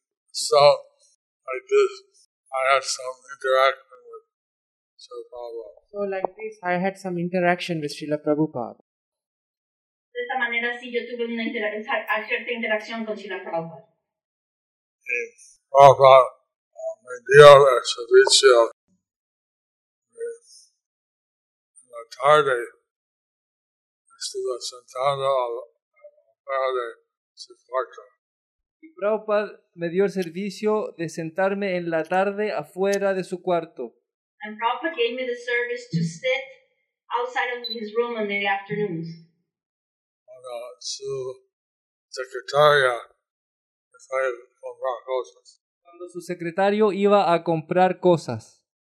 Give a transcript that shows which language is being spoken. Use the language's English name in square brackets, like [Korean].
[English] So, I had some interaction with Srila Prabhupada. So like this, I had some interaction with Srila Prabhupada. [Spanish] manera sí yo tuve una cierta interacción con Srila Prabhupada. Prabhupada me dio el servicio en la tarde. Estuve sentado al lado de su cuarto. Y Prabhupada me dio el servicio de sentarme en la tarde afuera de su cuarto. [English] And Prabhupada gave me the service to sit outside of his room in the afternoons. [Spanish] Cuando su secretaria iba a comprar cosas. Cuando su secretario iba a comprar cosas.